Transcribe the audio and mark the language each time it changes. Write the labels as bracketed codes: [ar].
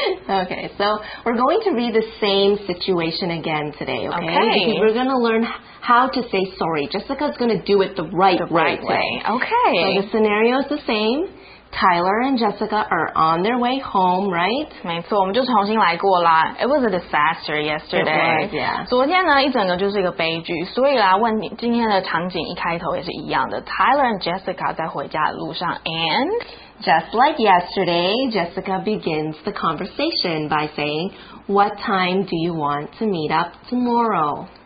[en] Okay, so we're going to read the same situation again today. Okay, we're going to learn how to say sorry. Jessica's going to do it the right way. Okay. So the scenario is the same. Tyler and Jessica are on their way home, right? [zh] 没错，我们就重新来过啦。 [en] It was a disaster yesterday. It was, yeah. [zh] 昨天呢，一整个就是一个悲剧。所以啦，问你今天的场景一开头也是一样的。 Tyler and Jessica 在回家的路上 and... [en] Just like yesterday, Jessica begins the conversation by saying, What time do you want to meet up tomorrow?